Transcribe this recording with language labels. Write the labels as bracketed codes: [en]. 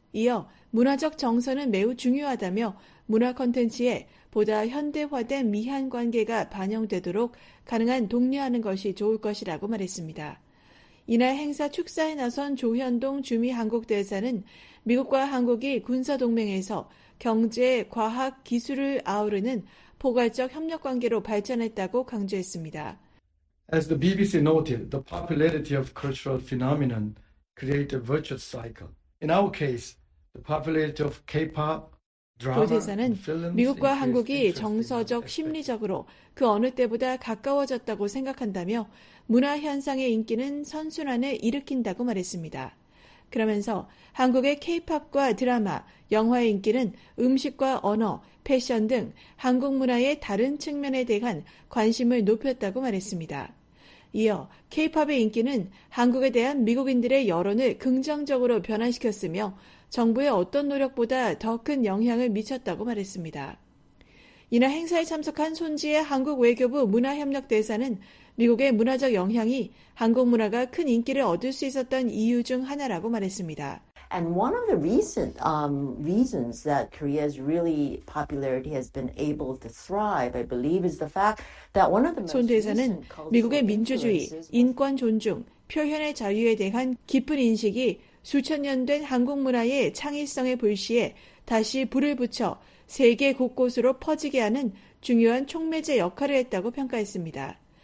[ko] 이어 문화적 정서는 매우 중요하다며 문화 콘텐츠에 보다 현대화된 미한 관계가 반영되도록 가능한 독려하는 것이 좋을 것이라고 말했습니다. 이날 행사 축사에 나선 조현동 주미한국대사는 미국과 한국이 군사동맹에서 경제, 과학, 기술을 아우르는 포괄적 협력관계로 발전했다고 강조했습니다. [en] As the BBC noted, the popularity of cultural phenomenon creates a virtuous cycle. In our case, the popularity of K-pop, [ko] 조대사는 미국과 한국이 정서적, 심리적으로 그 어느 때보다 가까워졌다고 생각한다며 문화 현상의 인기는 선순환을 일으킨다고 말했습니다. 그러면서 한국의 K-POP과 드라마, 영화의 인기는 음식과 언어, 패션 등 한국 문화의 다른 측면에 대한 관심을 높였다고 말했습니다. 이어 K-POP의 인기는 한국에 대한 미국인들의 여론을 긍정적으로 변환시켰으며 정부의 어떤 노력보다 더 큰 영향을 미쳤다고 말했습니다. 이날 행사에 참석한 손지혜 한국 외교부 문화협력대사는 미국의 문화적 영향이 한국 문화가 큰 인기를 얻을 수 있었던 이유 중 하나라고 말했습니다. [en] And one of the recent reasons that Korea's really popularity has been able to thrive, I believe, is the fact that one of the most [ko] 손 대사는 미국의 민주주의, 인권 존중, 표현의 자유에 대한 깊은 인식이 수천 년 된 한국 문화의 창의성의 불씨에 다시 불을 붙여 세계 곳곳으로 퍼지게 하는 중요한 촉매제 역할을 했다고 평가했습니다.